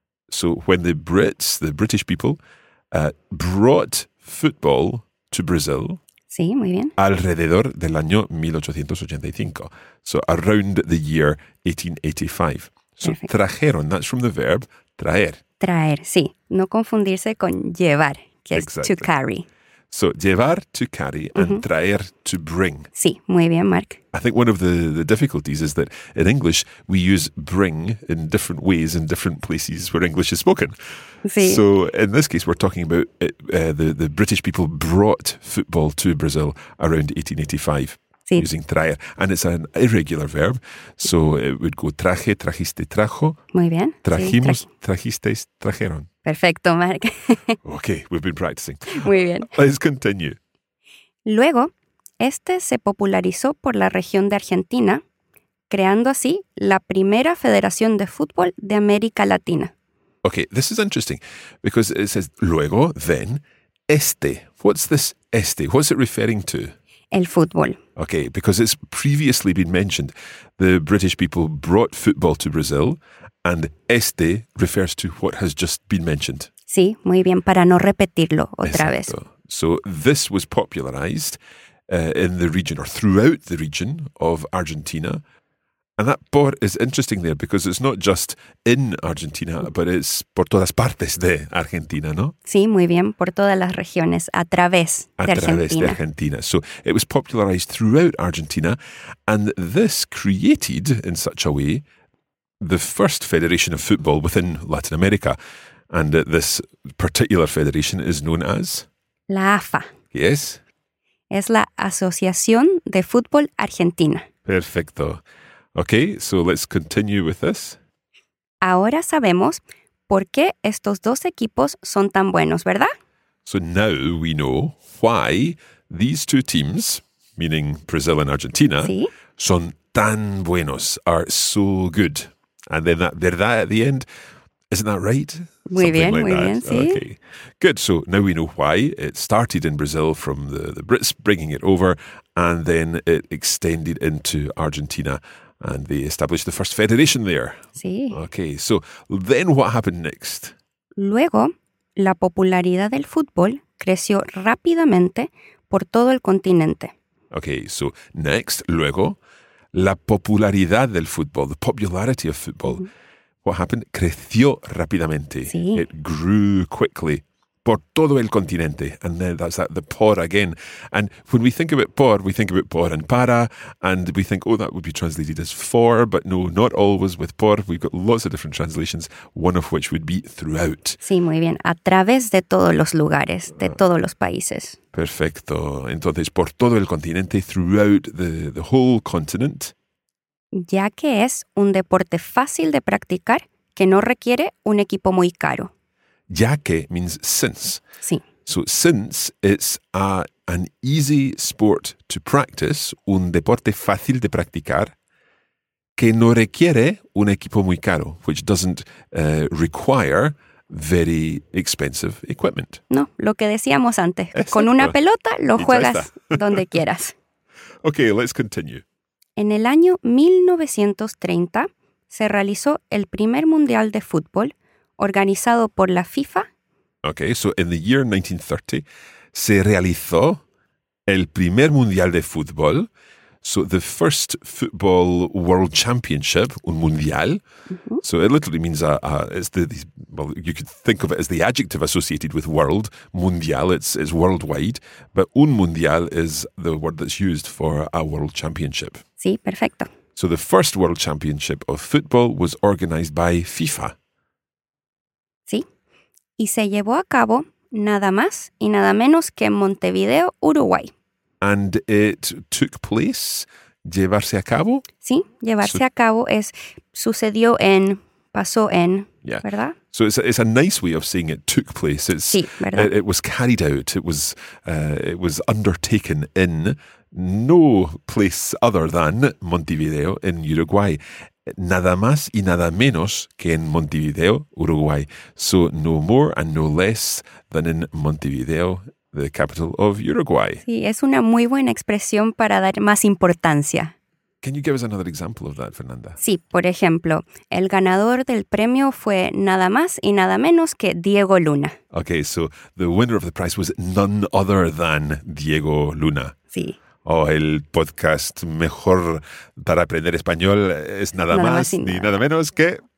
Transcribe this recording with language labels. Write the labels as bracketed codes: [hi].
[en] So when the British people brought football to Brazil. [es] Sí, muy bien. Alrededor del año 1885. [en] So around the year 1885. So perfect. Trajeron, that's from the verb traer. [es] Traer, sí. No confundirse con llevar, que es [en] exactly. To carry. So, llevar, to carry, and traer, to bring. [es] Sí, muy bien, Mark. [en] I think one of the difficulties is that in English, we use bring in different ways in different places where English is spoken. [es] Sí. [en] So, in this case, we're talking about the British people brought football to Brazil around 1885 [es] sí. [en] Using traer. And it's an irregular verb. So, it would go traje, trajiste, trajo. [es] Muy bien. Trajimos, trajisteis, trajeron. Perfecto, Mark. [en] Okay, we've been practicing. [es] Muy bien. [en] Let's continue. [es] Luego, este se popularizó por la región de Argentina, creando así la primera federación de fútbol de América Latina. [en] Okay, this is interesting because it says luego, then, este. What's this este? What's it referring to? [es] El fútbol. [en] Okay, because it's previously been mentioned, the British people brought football to Brazil, and este refers to what has just been mentioned. [es] Sí, muy bien, para no repetirlo otra vez. [en] So this was popularized in the region, or throughout the region of Argentina. And that por is interesting there because it's not just in Argentina, but it's [es] por todas partes de Argentina, ¿no? Sí, muy bien. Por todas las regiones, a través de Argentina. A través de Argentina. [en] So it was popularized throughout Argentina. And this created, in such a way, the first federation of football within Latin America. And this particular federation is known as? [es] La AFA. [en] Yes? [es] Es la Asociación de Fútbol Argentina. Perfecto. [en] Okay, so let's continue with this. [es] Ahora sabemos por qué estos dos equipos son tan buenos, ¿verdad? [en] So now we know why these two teams, meaning Brazil and Argentina, [es] ¿sí? son tan buenos, [en] are so good. And then that verdad at the end, isn't that right? [es] Muy bien, like muy that. Bien, sí. [en] Okay. Good, so now we know why it started in Brazil from the Brits bringing it over and then it extended into Argentina. And they established the first federation there. [es] Sí. [en] Okay, so then what happened next? [es] Luego, la popularidad del fútbol creció rápidamente por todo el continente. [en] Okay, so next, luego, [es] la popularidad del fútbol, [en] the popularity of football, mm-hmm. what happened? [es] Creció rápidamente. Sí. [en] It grew quickly [es] por todo el continente. [en] And then that's that, the por again. And when we think about por, we think about por and para, and we think, oh, that would be translated as for, but no, not always with por. We've got lots of different translations, one of which would be throughout. [es] Sí, muy bien. A través de todos los lugares, de todos los países. Perfecto. Entonces, por todo el continente, [en] throughout the whole continent. [es] Ya que es un deporte fácil de practicar que no requiere un equipo muy caro. [en] Ya que means since. [es] Sí. [en] So since it's an easy sport to practice, [es] un deporte fácil de practicar, que no requiere un equipo muy caro, [en] which doesn't require very expensive equipment. [es] No, lo que decíamos antes, con una pelota lo juegas donde quieras. [en] Okay, let's continue. [es] En el año 1930 se realizó el primer mundial de fútbol organizado por la FIFA. [en] Okay, so in the year 1930, [es] se realizó el primer mundial de fútbol. [en] So the first football world championship, un mundial. Mm-hmm. So it literally means you could think of it as the adjective associated with world. Mundial, it's worldwide. But un mundial is the word that's used for a world championship. [es] Sí, perfecto. [en] So the first world championship of football was organized by FIFA. [es] Sí, y se llevó a cabo nada más y nada menos que en Montevideo, Uruguay. [en] And it took place, llevarse a cabo. [es] Sí, llevarse a cabo es sucedió en, pasó en, [en] yeah. [es] ¿verdad? [en] So it's a nice way of saying it took place. It's, [es] sí, ¿verdad? [en] It was carried out. It was undertaken in no place other than Montevideo in Uruguay. [es] Nada más y nada menos que en Montevideo, Uruguay. [en] So no more and no less than in Montevideo, the capital of Uruguay. [es] Sí, es una muy buena expresión para dar más importancia. [en] Can you give us another example of that, Fernanda? [es] Sí, por ejemplo, el ganador del premio fue nada más y nada menos que Diego Luna. [en] Okay, so the winner of the prize was none other than Diego Luna. [es] Sí. O el podcast mejor para aprender español es nada más ni nada menos que